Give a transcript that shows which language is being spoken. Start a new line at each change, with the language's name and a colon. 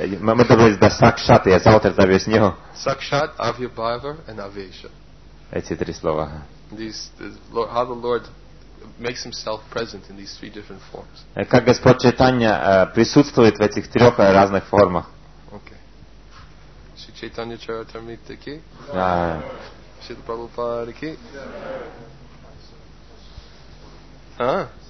Russian: Мы добрались до Сакшата, я завтра это объясню. Сакшат, Авьябхава и Авеша. Эти три слова.
English: How the Lord makes himself present in these three different forms.
Russian: Как Господь Чайтанья присутствует в этих трех разных формах.
English: Okay.
Russian: Шри Чайтанья Чаритамрита ки. Шри Прабхупада ки. Ah.